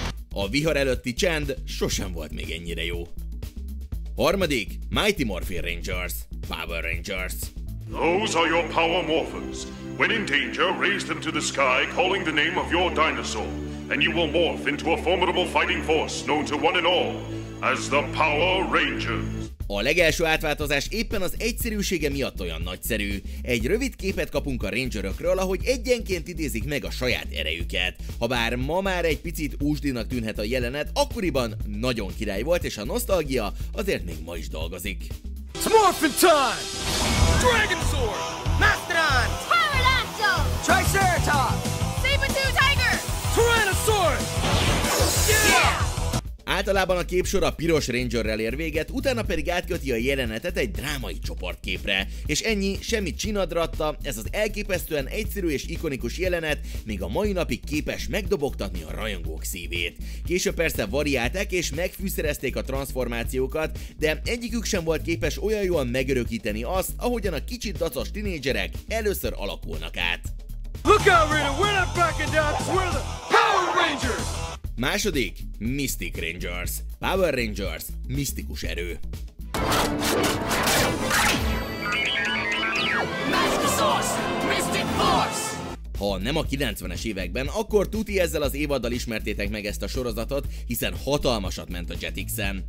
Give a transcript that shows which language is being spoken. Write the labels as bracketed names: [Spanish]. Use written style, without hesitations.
[Hungarian] A vihar előtti csend sosem volt még ennyire jó. [English] 3. Mighty Morphin Rangers, Power Rangers. Those are your power morphers. When in danger, raise them to the sky, calling the name of your dinosaur, and you will morph into a formidable fighting force known to one and all as the Power Rangers. [Hungarian] A legelső átváltozás éppen az egyszerűsége miatt olyan nagyszerű. Egy rövid képet kapunk a Rangerökről, ahogy egyenként idézik meg a saját erejüket. Habár ma már egy picit úsdinak tűnhet a jelenet, akkoriban nagyon király volt, és a nosztalgia azért még ma is dolgozik. [English] It's Morphin time! Dragon Sword! Mastodon! Pterodactyl! Triceratops! Saber-tooth Tiger! Tyrannosaurus! [Hungarian] Általában a képsor a piros Rangerrel ér véget, utána pedig átköti a jelenetet egy drámai csoportképre. És ennyi, semmi csinadratta, ez az elképesztően egyszerű és ikonikus jelenet még a mai napig képes megdobogtatni a rajongók szívét. Később persze variálták és megfűszerezték a transformációkat, de egyikük sem volt képes olyan jól megörökíteni azt, ahogyan a kicsit dacos tinédzserek először alakulnak át. [English] Look out, Rita, we're not backing down, the Power Rangers! 2. Mystic Rangers. [Hungarian] Power Rangers, misztikus erő. Ha nem a 90-es években, akkor tuti ezzel az évaddal ismertétek meg ezt a sorozatot, hiszen hatalmasat ment a Jetixen.